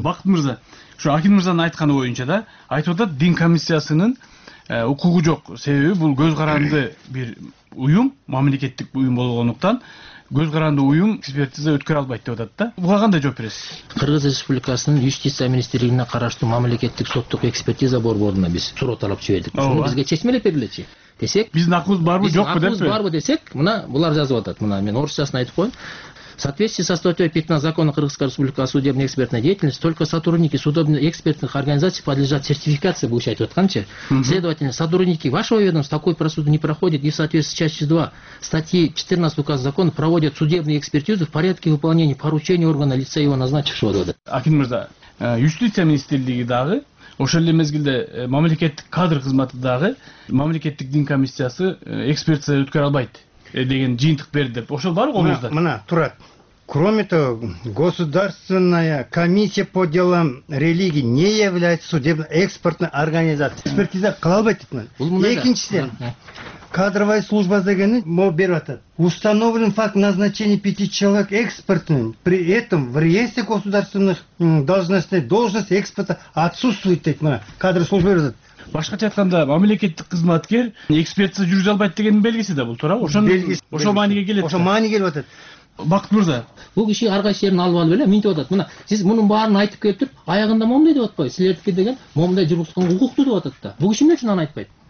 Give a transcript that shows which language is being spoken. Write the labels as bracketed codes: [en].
[ky] Бакыт мырза, ушу Аким мырзанын айтканы боюнча да айтып атат, дин комиссиясынын укугу жок, себеби бул көз каранды бир уюм, мамлекеттик уюм болгондуктан көз каранды уюм экспертиза өткөрө албайт деп атат да. Буга кандай жооп бересиз? Кыргыз Республикасынын юстиция министрлигине караштуу мамлекеттик соттук экспертиза борборуна биз суроо талап жибердик. Ошону бизге чечмелеп бергилечи десек, биздин акыбыз барбы жокпу депчи? Акыбыз барбы десек, мына булар жазып атат. Мына мен орусчасын айтып коеюн. [ru] В соответствии со статьей 15 закона Кыргызской Республики о судебной экспертной деятельности, только сотрудники судебных экспертных организаций подлежат сертификации, получают отканчи. Следовательно, сотрудники вашего ведомства такой процедуру не проходят и в соответствии с частью 2 статьи 14 указа закона проводят судебные экспертизы в порядке выполнения поручения органа лица его назначившего года. [ky] Акин мырза, юстиция министрлиги дагы, ошол эле мезгилде мамлекеттик кадр кызматы дагы, мамлекеттик дин комиссиясы экспертизаны өткөрө албайт деген жыйынтык берди деп, ошол барбы колуңузда? Мына турат, [ru] кроме того, государственная комиссия по делам религии не является судебной экспертной организацией. [ky] Экспертиза кыла албайт дейт мына. Бул мындай. Экинчиден, кадровая служба дегени могу берип атат. [ru] Установлен факт назначения 5 человек экспертным, при этом в реестре государственных должностей должность эксперта отсутствует [ky] дейт мына. [ru] Кадровая служба [ky] берип атат. Башкача айтканда мамлекеттик кызматкер экспертиза жүргүзө албайт дегендин белгиси да бул, туурабы? Ошонун белгиси. Ошол мааниге келет. Ошол маани келип атат. Бакыт мырза, бул киши ар кайсы жерин алып алып эле минтип атат. Мына сиз мунун баарын айтып келиптир, аягында момундай деп атпайбы? Силердики деген момундай жүргүзгөн укуктуу деп атат да. Бул киши эмне үчүн аны айтпайт?